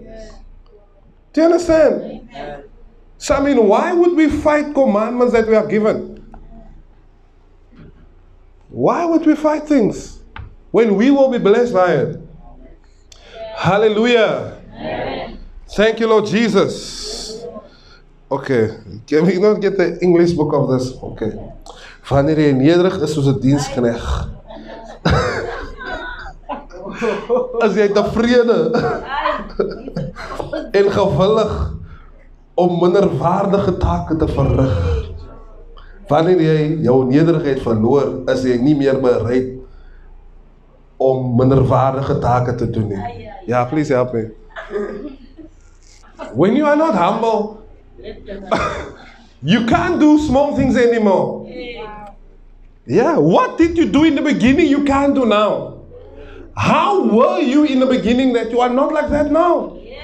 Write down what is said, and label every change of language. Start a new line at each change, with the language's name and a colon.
English: Yes. Do you understand? Amen. So I mean, why would we fight commandments that we are given? Why would we fight things when we will be blessed by it? Yes. Hallelujah. Amen. Thank you, Lord Jesus. Okay, can we not get the English book of this? Okay.
Afrikaans: Wanneer jy nederig is soos 'n dienskneg. As jy tevrede en gewillig om minderwaardige take te verrig. Wanneer jy jou nederigheid verloor, is jy nie meer bereid om minderwaardige take te doen nie.
English: Ja, please help me. When you are not humble, you can't do small things anymore. Yeah, what did you do in the beginning you can't do now? How were you in the beginning that you are not like that now?